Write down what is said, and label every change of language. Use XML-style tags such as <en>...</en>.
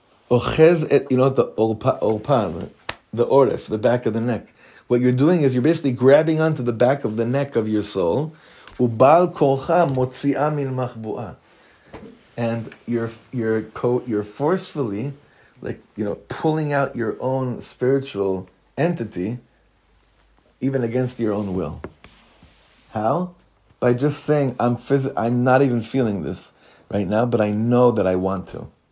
<he>אוחז את,</he> <en>you know, the אורפה, the עורף, the back of the neck. What you're doing is you're basically grabbing onto the back of the neck of your soul.</en> <he>ובעל כוחה מוציאה מן מחבואה.</he> <en>And you're forcefully, like, you know, pulling out your own spiritual entity, even against your own will. How? By just saying, I'm not even feeling this right now, but I know that I want to.</en>